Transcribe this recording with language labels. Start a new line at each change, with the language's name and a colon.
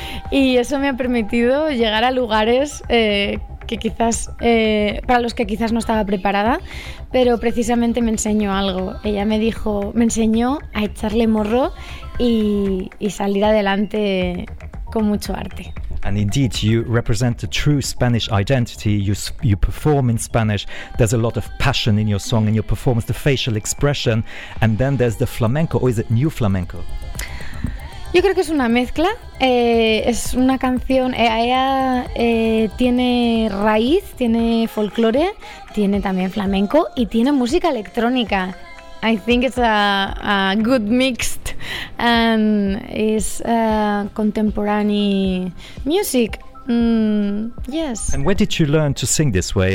Spanish: Y eso me ha permitido llegar a lugares que quizás para los que quizás no estaba preparada, pero precisamente me enseñó algo. Ella me dijo, me enseñó a echarle morro y salir adelante con mucho arte.
English: And indeed, you represent the true Spanish identity. You perform in Spanish. There's a lot of passion in your song, in your performance, the facial expression. And then there's the flamenco, or is it new flamenco?
Spanish: Yo creo que es una mezcla. Es una canción. Ella tiene raíz, tiene folclore, tiene también flamenco y tiene música electrónica.
English: I think it's a good mixed and is contemporary music. Yes. And where did you learn to sing this way?